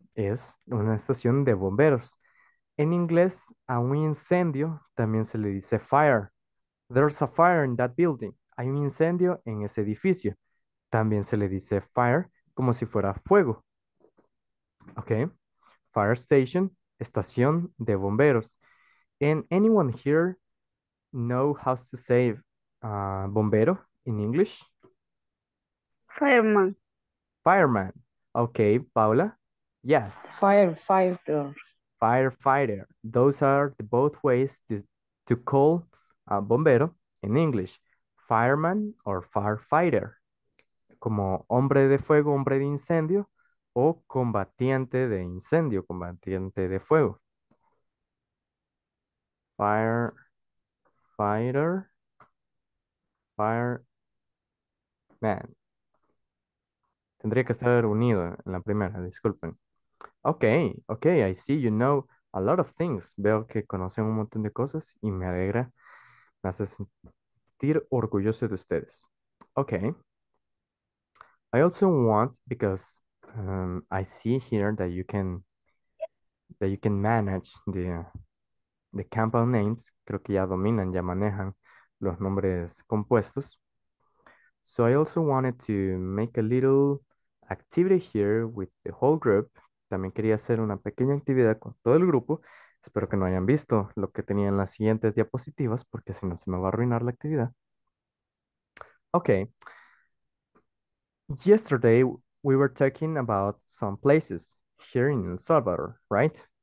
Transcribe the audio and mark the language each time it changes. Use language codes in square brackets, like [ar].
[es] Es una estación de bomberos. En inglés, a un incendio también se le dice fire. [en] There's a fire in that building. [es] hay un incendio en ese edificio. También se le dice fire como si fuera fuego. Ok. Fire station, estación de bomberos. [en] And anyone here know how to say bombero in English? Fireman. Fireman. Ok, Paula. Yes. Firefighter. Firefighter. Those are the both ways to call bombero in English. Fireman or firefighter. [es] Como hombre de fuego, hombre de incendio, o combatiente de incendio, combatiente de fuego. [en] Firefighter. Fireman. [es] Tendría que estar unido en la primera, disculpen. [en] Ok, I see you know a lot of things. [es] Veo que conocen un montón de cosas y me alegra. Me hace sentir orgulloso de ustedes. Ok. [en] I also want, because I see here that you can manage the compound names. [es] Creo que ya dominan, ya manejan los nombres compuestos. [en] So I also wanted to make a little activity here with the whole group. [es] También quería hacer una pequeña actividad con todo el grupo. Espero que no hayan visto lo que tenía en las siguientes diapositivas, porque si no se me va a arruinar la actividad. [en] Okay. Yesterday we were talking about some places here in El Salvador, right?